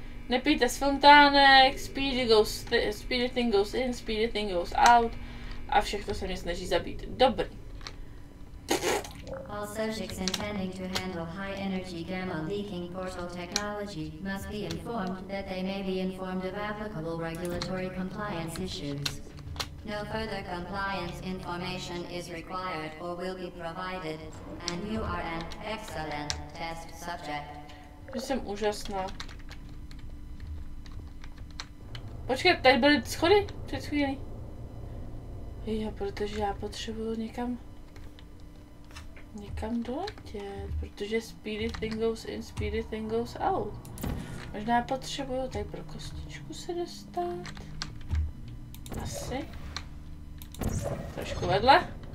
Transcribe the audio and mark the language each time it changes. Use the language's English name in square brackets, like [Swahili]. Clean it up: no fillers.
[Czech] Nepijte z fontánek, [English] speed thing goes in, speed thing goes out. [Czech] A všechno se mě snaží zabít. Dobrý. [English] All subjects intending to handle high energy gamma leaking portal technology must be informed that they may be informed of applicable regulatory compliance issues. No further compliance information is required or will be provided, and you are an excellent test subject. [Czech] Jsem úžasná. Počkej, tady byly schody před chvíli. Jo, protože já potřebuju někam doletět, protože [English] speedy thing goes in, speedy thing goes out. [Czech] Možná potřebuju tady pro kostičku se dostat. Asi. Trošku vedle.